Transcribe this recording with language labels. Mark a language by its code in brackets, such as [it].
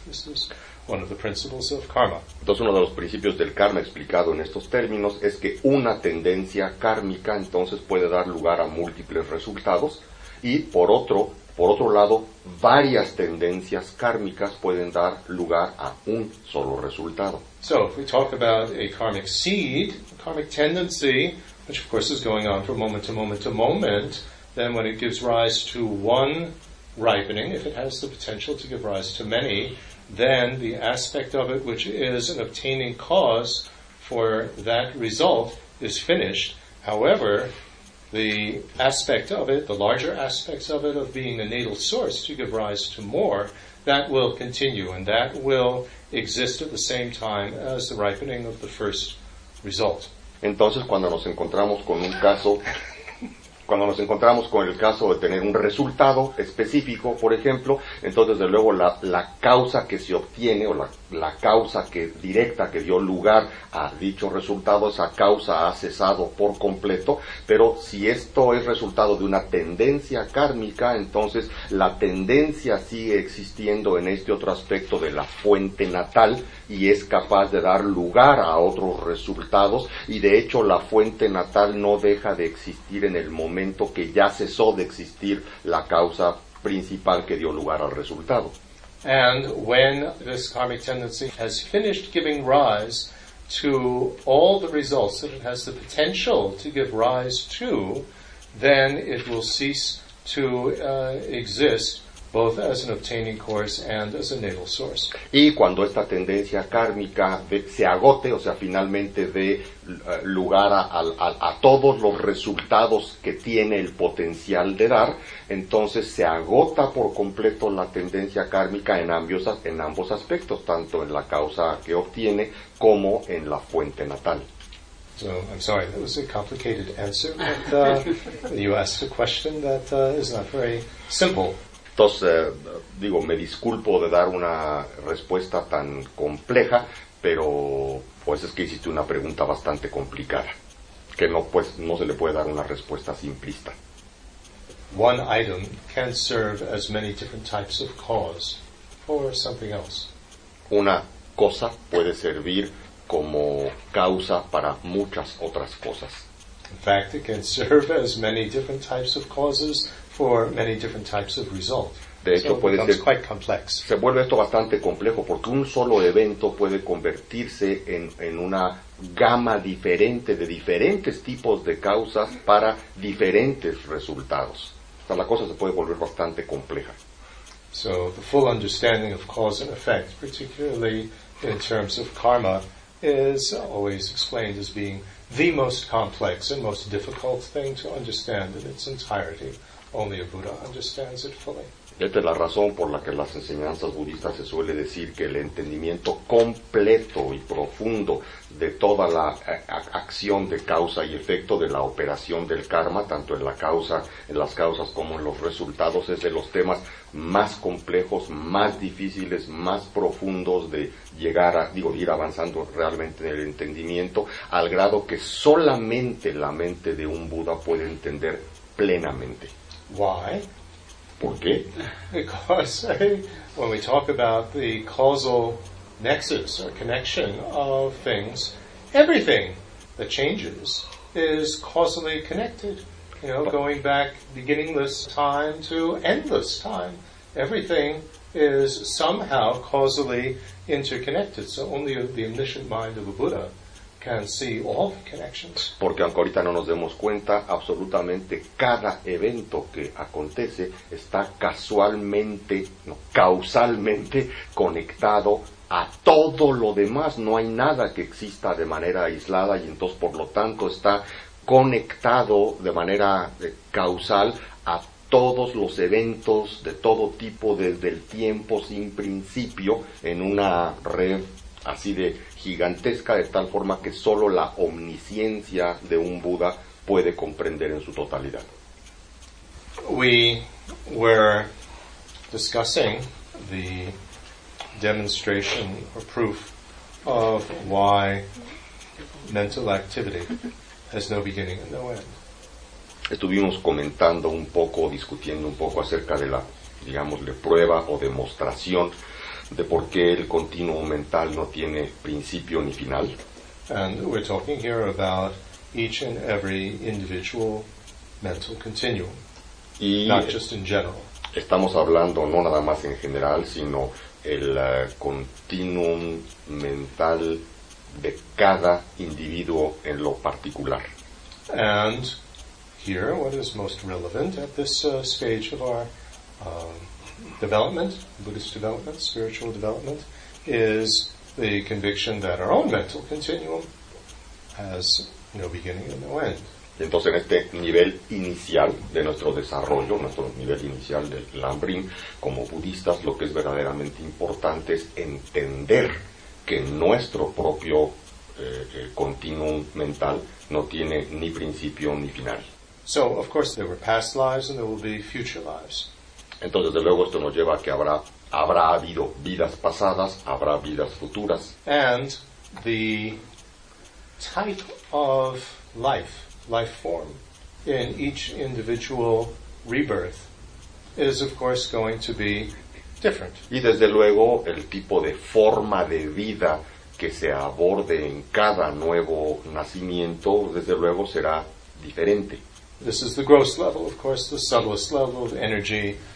[en] This is one of the principles of karma. [es] Entonces, uno de los principios del karma explicado en estos términos es que una tendencia kármica entonces puede dar lugar a múltiples resultados, y por otro lado, varias tendencias kármicas pueden dar lugar a un solo resultado. [en] So, if we talk about a karmic seed, a karmic tendency, which of course is going on from moment to moment to moment, then when it gives rise to one ripening, if it has the potential to give rise to many, then the aspect of it which is an obtaining cause for that result is finished. However, the aspect of it, the larger aspects of it, of being a natal source to give rise to more, that will continue, and that will exist at the same time as the ripening of the first result. [es] Entonces, cuando nos encontramos con un caso, cuando nos encontramos con el caso de tener un resultado específico, por ejemplo, entonces, desde luego, la causa que se obtiene, o la causa que directa que dio lugar a dicho resultado, esa causa ha cesado por completo, pero si esto es resultado de una tendencia kármica, entonces la tendencia sigue existiendo en este otro aspecto de la fuente natal y es capaz de dar lugar a otros resultados, y de hecho la fuente natal no deja de existir en el momento que ya cesó de existir la causa principal que dio lugar al resultado. [en] And when this karmic tendency has finished giving rise to all the results that it has the potential to give rise to, then it will cease to exist both as an obtaining course and as a natal source. [es] Y cuando esta tendencia kármica se agote, o sea, finalmente dé lugar a todos los resultados que tiene el potencial de dar, entonces se agota por completo la tendencia kármica en ambos aspectos, tanto en la causa que obtiene como en la fuente natal. [en] So, I'm sorry, that was a complicated answer, but you asked a question that is not very simple. [es] Entonces, digo, me disculpo de dar una respuesta tan compleja, pero pues es que hiciste una pregunta bastante complicada, que no, pues, no se le puede dar una respuesta simplista. [en] One item can serve as many different types of cause for something else. [es] Una cosa puede servir como causa para muchas otras cosas. [en] In fact, it can serve as many different types of causes for many different types of result. [es] De hecho, [en] so it [es] puede [en] becomes [es] ser, [en] quite complex. [es] Se vuelve esto bastante complejo porque un solo evento puede convertirse en una gama diferente de diferentes tipos de causas para diferentes resultados. O sea, la cosa se puede volver bastante compleja. [en] So the full understanding of cause and effect, particularly in terms of karma, is always explained as being the most complex and most difficult thing to understand in its entirety. Only a Buddha understands it fully. [es] Esta es la razón por la que en las enseñanzas budistas se suele decir que el entendimiento completo y profundo de toda la acción de causa y efecto de la operación del karma, tanto en la causa, en las causas como en los resultados, es de los temas más complejos, más difíciles, más profundos de llegar a, digo, ir avanzando realmente en el entendimiento, al grado que solamente la mente de un Buda puede entender plenamente. [en] Why? [es] ¿Por qué? [en] Because when we talk about the causal nexus or connection of things, everything that changes is causally connected. You know, going back beginningless time to endless time, everything is somehow causally interconnected. So only the omniscient mind of a Buddha can see all the connections. [es] Porque aunque ahorita no nos demos cuenta, absolutamente cada evento que acontece está casualmente, no, causalmente conectado a todo lo demás. No hay nada que exista de manera aislada y entonces, por lo tanto, está conectado de manera causal a todos los eventos de todo tipo desde el tiempo sin principio en una red así de gigantesca, de tal forma que solo la omnisciencia de un Buda puede comprender en su totalidad. [en] We were discussing the demonstration or proof of why mental activity has no beginning and no end. [es] Estuvimos comentando un poco, discutiendo un poco acerca de la, digámosle, prueba o demostración de por qué el continuo mental no tiene principio ni final. [en] And we're talking here about each and every individual mental continuum, [es] y [en] not just in general. [es] Estamos hablando no nada más en general, sino el continuum mental de cada individuo en lo particular. [en] And here, what is most relevant at this stage of our development, Buddhist development, spiritual development, is the conviction that our own mental continuum has no beginning and no end. [es] Entonces, en este nivel inicial de nuestro desarrollo, nuestro nivel inicial del lam-rim, como budistas, lo que es verdaderamente importante es entender que nuestro propio continuum mental no tiene ni principio ni final. [en] So, of course, there were past lives and there will be future lives. [es] Entonces, de luego, esto nos lleva a que habrá habido vidas pasadas, habrá vidas futuras. [en] And the type of life form in each individual rebirth is, of course, going to be different. [es] Y desde luego, el tipo de forma de vida que se aborde en cada nuevo nacimiento, desde luego, será diferente. [en] This is the gross level, of course, the subtlest level of energy.